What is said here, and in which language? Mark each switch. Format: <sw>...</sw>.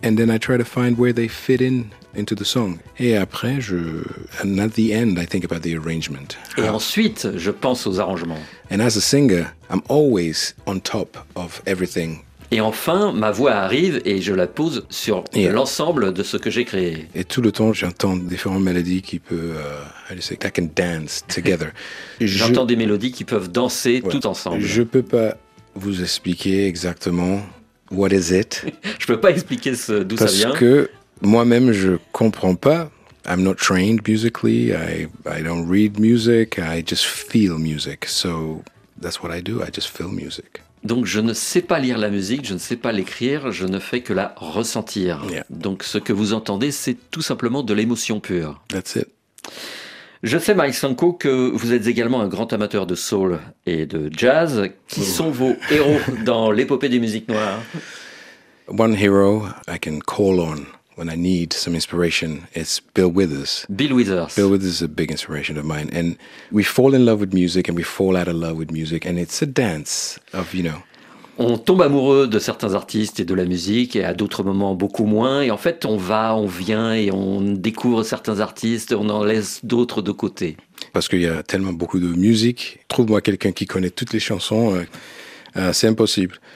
<en>And then I try to find where they fit in. Into the song.</en> <fr>Et après,</fr> <en>and at the end, I think about the arrangement.</en> <fr>Et ensuite, je pense aux arrangements.</fr> <en>And as a singer, I'm always on top of everything.</en> <fr>Et enfin, ma voix arrive et je la pose sur l'ensemble de ce que j'ai créé. Et tout le temps, j'entends différentes mélodies qui peuvent,</fr> <en>I can dance together.</en> <fr>J'entends des mélodies qui peuvent danser tout ensemble. Je peux pas vous expliquer exactement</fr> <en>what is it.</en> <fr>Je ne peux pas expliquer d'où ça vient. Parce que moi-même, je ne comprends pas.</fr> <en>I'm not trained musically. I don't read music. I just feel music. So that's what I do. I just feel music.</en> <fr>Donc je ne sais pas lire la musique, je ne sais pas l'écrire, je ne fais que la ressentir.</fr> <en>Yeah.</en> <fr>Donc ce que vous entendez, c'est tout simplement de l'émotion pure.</fr> <en>That's it.</en> <fr>Je sais, Mike Sanko, que vous êtes également un grand amateur de soul et de jazz. Qui sont vos héros dans l'épopée des musiques noires?</fr> <en>One hero I can call on when I need some inspiration, it's Bill Withers. Bill Withers. Bill Withers is a big inspiration of mine. And we fall in love with music and we fall out of love with music. And it's a dance of, you know.</en> <fr>On tombe amoureux de certains artistes et de la musique et à d'autres moments beaucoup moins. Et en fait, on va, on vient et on découvre certains artistes, on en laisse d'autres de côté. Parce qu'il y a tellement beaucoup de musique. Trouve-moi quelqu'un qui connaît toutes les chansons. C'est impossible.</fr>